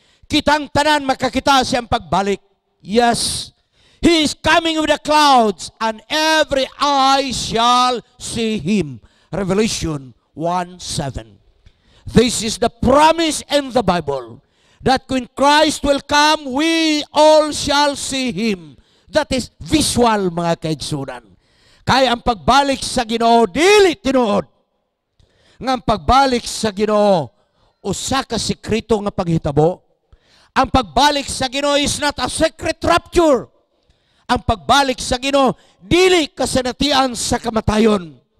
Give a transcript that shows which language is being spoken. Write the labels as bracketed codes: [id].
[ceb] Kitang tanan, makakita siya ang pagbalik. [en] Yes, He is coming with the clouds, and every eye shall see Him. Revelation 1:7. This is the promise in the Bible, that when Christ will come, we all shall see Him. That is visual, [ceb] mga kaigsoonan. Kaya ang pagbalik sa Ginoo, dili tinuod. Nga ang pagbalik sa Ginoo, usa ka sekreto nga paghitabo. Ang pagbalik sa Ginoo [en] is not a secret rapture. [ceb] Ang pagbalik sa Ginoo, dili kasanatian sa kamatayon.